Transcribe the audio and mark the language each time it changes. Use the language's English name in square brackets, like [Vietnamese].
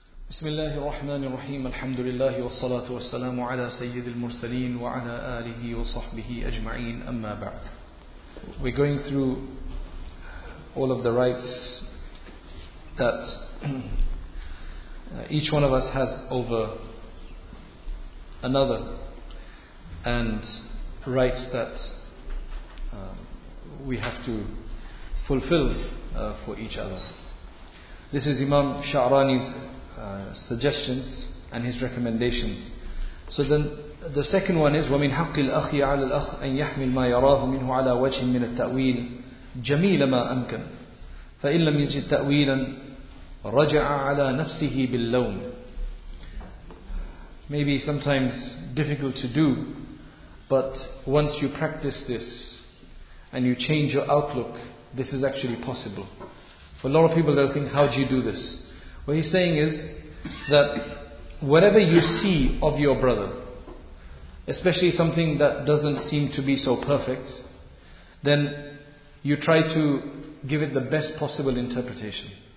[Arabic] بسم الله الرحمن الرحيم الحمد لله والصلاة والسلام على سيد المرسلين وعلى آله وصحبه أجمعين أما بعد. [English] We're going through all of the rights that each one of us has over another, and rights that we have to fulfill for each other. This is Imam Sha'rani's suggestions and his recommendations. So then the second one is [Arabic] وَمِنْ حَقِّ الْأَخِي عَلَى الْأَخِ أَنْ يَحْمِلْ مَا يَرَاهُ مِنْهُ عَلَى وَجْهٍ مِنَ التَّأْوِيلِ جَمِيلَ مَا أَمْكَنْ فَإِنْ لَمْ يَجِدْ تَأْوِيلًا رَجَعَ عَلَى نَفْسِهِ بِاللَّوْمِ. [English] Maybe sometimes difficult to do, but once you practice this and you change your outlook, this is actually possible. For a lot of people, they'll think, how do you do this? What he's saying is that whatever you see of your brother, especially something that doesn't seem to be so perfect, then you try to give it the best possible interpretation.